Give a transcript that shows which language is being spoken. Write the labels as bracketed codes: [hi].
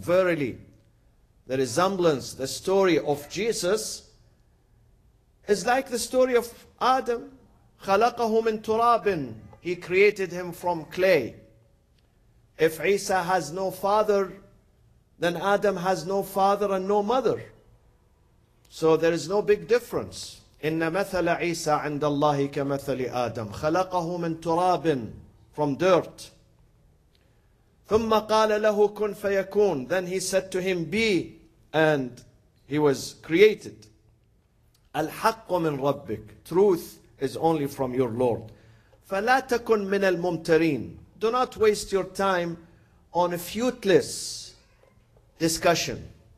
[en] Verily, the resemblance, the story of Jesus is like the story of Adam. [ar] خَلَقَهُ مِن تُرَابٍ. [en] He created him from clay. If Isa has no father, then Adam has no father and no mother. So there is no big difference. [ar] إِنَّ مَثَلَ عِيسَىٰ عِنْدَ اللَّهِ كَمَثَلِ آدَمٍ خَلَقَهُ مِن تُرَابٍ, [en] from dirt. [ar] ثُمَّ قَالَ لَهُ كُنْ فَيَكُونَ. [en] Then he said to him, be, and he was created. [ar] الْحَقُّ مِن رَبِّكَ. [en] Truth is only from your Lord. [ar] فَلَا تَكُنْ مِنَ الْمُمْتَرِينَ. [en] Do not waste your time on a futile discussion.